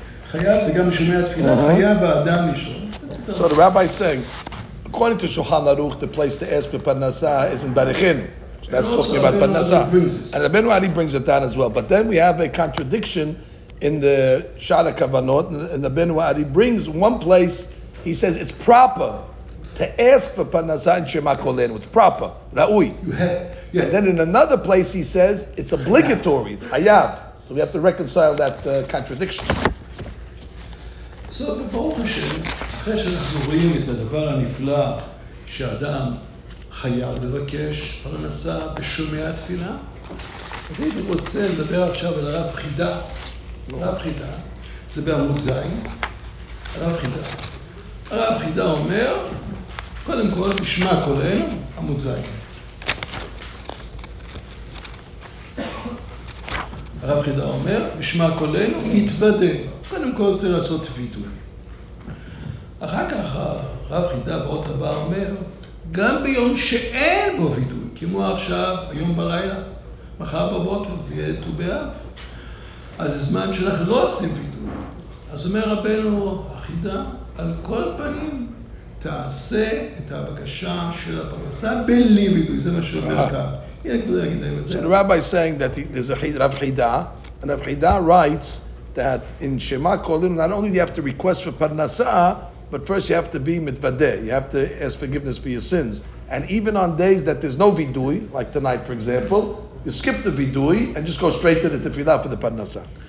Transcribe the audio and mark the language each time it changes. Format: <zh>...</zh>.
<he>חייב, וגם משומע התפילה, חייב האדם לשאול.</he> <en>So the rabbi is saying, according to Shulchan Aruch, the place to ask for parnasa is in Berechin. So that's talking about parnasa. And Rabbeinu Ari brings it down as well. But then we have a contradiction in the Shara Kavanot, and Rabbeinu Ari brings one place, he says it's proper to ask for parnasa in Shema Kolenu. It's proper. Ra'ui. Yeah. And then in another place he says it's obligatory. It's hayab. So we have to reconcile that contradiction. So the Baruch Hashem,</en> <he>אחרי שאנחנו רואים את הדבר הנפלא שאדם חייב לבקש פרנסה בשומע התפילה, אז אני רוצה לדבר עכשיו על הרב חידה. הרב חידה, זה בעמוד זין, הרב חידה. הרב חידה אומר, קודם כל, בשמע קולנו, עמוד זין. הרב חידא אומר, בשמע קולנו, יתוודא. קודם כל צריך לעשות וידוי. אחר כך הרב חידא באות הבא אומר, גם ביום שאין בו וידוי, כמו עכשיו, היום בלילה, מחר בבוקר זה יהיה ט"ו באב, אז זמן שאנחנו לא עושים וידוי. אז אומר רבנו החידא, על כל פנים, תעשה את הבקשה של הפרנסה בלי וידוי, זה מה שאומר כאן.</he> <en>So the rabbi is saying that there's a Rav Chida, and Rav Chida writes that in Shema Kolim, not only do you have to request for Parnasa, but first you have to be mitvadeh, you have to ask forgiveness for your sins. And even on days that there's no vidui, like tonight for example, you skip the vidui and just go straight to the tefillah for the Parnasa.</en>